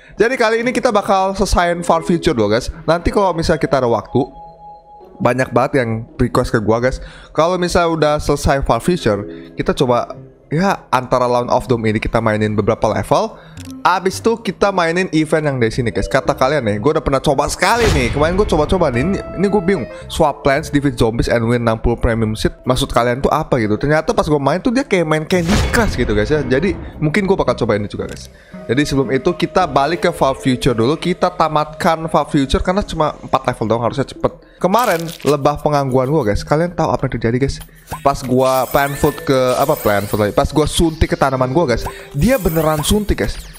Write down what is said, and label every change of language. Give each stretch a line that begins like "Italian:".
Indonesian: Jadi kali ini kita bakal selesaiin far future dulu guys. Nanti kalau misalnya kita ada waktu, banyak banget yang request ke gue guys, kalau misalnya udah selesai far future, kita coba ya antara Lawn of Doom ini kita mainin beberapa level. Abis itu kita mainin event yang dari sini guys. Kata kalian nih, gue udah pernah coba sekali nih. Kemarin gue coba-coba nih, ini gue bingung.
English: Swap plans, defeat zombies, and win 60 premium seat.
Indonesian: Maksud kalian tuh apa gitu? Ternyata pas gue main tuh dia kayak main Candy Crush gitu guys ya. Jadi mungkin gue bakal coba ini juga guys. Jadi sebelum itu kita balik ke Far Future dulu. Kita tamatkan Far Future karena cuma 4 level doang, harusnya cepet. Kemarin lebah pengangguran gue guys, kalian tahu apa yang terjadi guys? Pas gue plant food ke, apa plant food lagi? Pas gue suntik ke tanaman gue guys, dia beneran suntik guys.